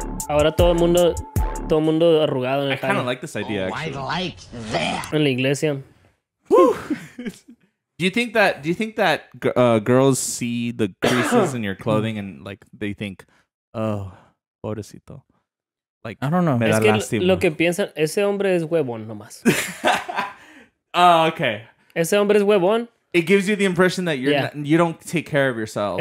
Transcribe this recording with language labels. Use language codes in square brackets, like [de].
[es] Ahora todo el mundo arrugado en el [en] I kind of like this idea, actually. Oh, I like that. [es] En la iglesia. [en] Do you think that girls see the creases in your clothing and like they think, oh, pobrecito. Like, I don't know. [es] Me es da que lastima. Lo que piensan, ese hombre es huevón nomás. [en] Oh, okay. [es] Ese hombre es huevón. [en] It gives you the impression that you don't take care of yourself.